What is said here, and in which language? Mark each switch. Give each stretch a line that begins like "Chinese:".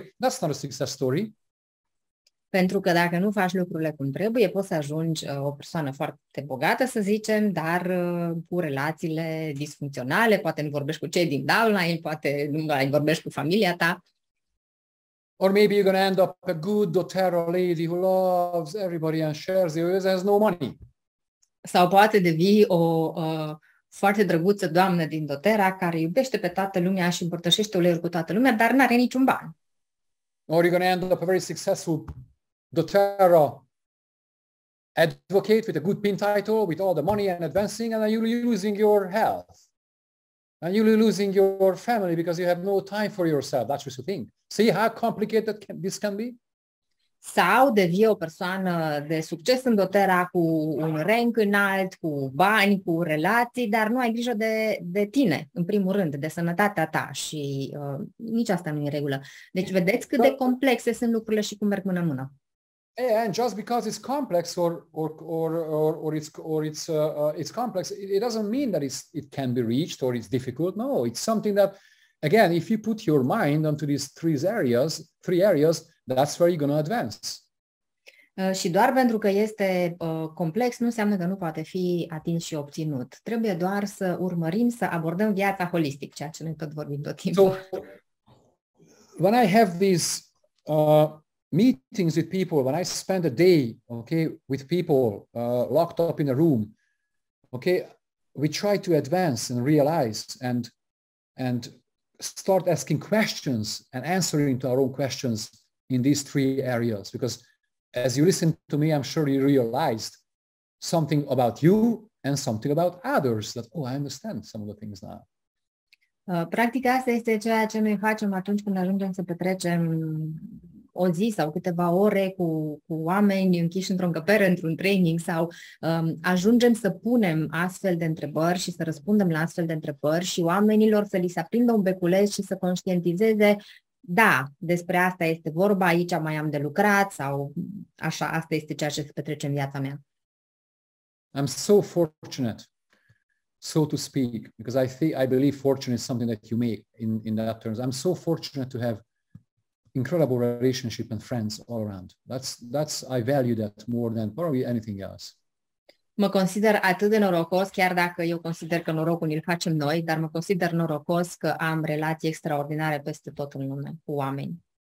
English: That's not a success story.
Romanian: Pentru că dacă nu faci lucrurile cum trebuie, poți să ajungi o persoană foarte bogată, să zicem, dar cu relațiile disfuncționale, poate nu vorbești cu cei din downline, poate nu mai vorbești cu familia ta.
English: Or maybe you're going to end up a good doTERRA lady who loves everybody and shares the wealth and has no money.
Romanian: Sau poate devii o foarte drăguță doamnă din doTERRA care iubește pe toată lumea și împărtășește uleiul cu toată lumea, dar n-are niciun ban.
English: Or you're going to end up a very successful doTERRA advocate with a good pin title, with all the money and advancing, and then you're losing your health. And you're losing your family because you have no time for yourself. That's what you think. See how complicated this can be?
Romanian: Sau devii o persoană de succes în doTERRA cu un rank înalt, cu bani, cu relații, dar nu ai grijă de tine, în primul rând, de sănătatea ta și nici asta nu e regulă. Deci vedeți cât de complexe sunt lucrurile și cum merg mână în mână.
English: And just because it's complex it's complex, it doesn't mean that it can be reached or it's difficult. No, it's something that, again, if you put your mind onto these three areas, that's where you're going to advance.
Romanian: Și doar pentru că este complex, nu înseamnă că nu poate fi atins și obținut. Trebuie doar să urmărim, să abordăm viața holistic, ceea ce noi tot vorbim tot timpul.
English: So, when I have these meetings with people, when I spend a day, okay, with people locked up in a room, okay, we try to advance and realize and start asking questions and answering to our own questions in these three areas, because as you listen to me, I'm sure you realized something about you and something about others that, oh, I understand some of the things now.
Romanian: Practica asta este ceea ce noi facem atunci când ajungem să petrecem o zi sau câteva ore cu oameni închiși într-o încăpere, într-un training, sau ajungem să punem astfel de întrebări și să răspundem la astfel de întrebări și oamenilor să li se aprindă un beculeț și să conștientizeze: da, despre asta este vorba, aici mai am de lucrat, sau așa, asta este ceea ce se petrece în viața mea.
English: I'm so fortunate, so to speak, because I believe fortune is something that you make in that terms. I'm so fortunate to have incredible relationship and friends all around. That's I value that more than probably anything else.
Romanian: Mă consider atât de norocos, chiar dacă eu consider că norocul îl facem noi, dar mă consider norocos că am relații extraordinare peste tot în lume cu oameni.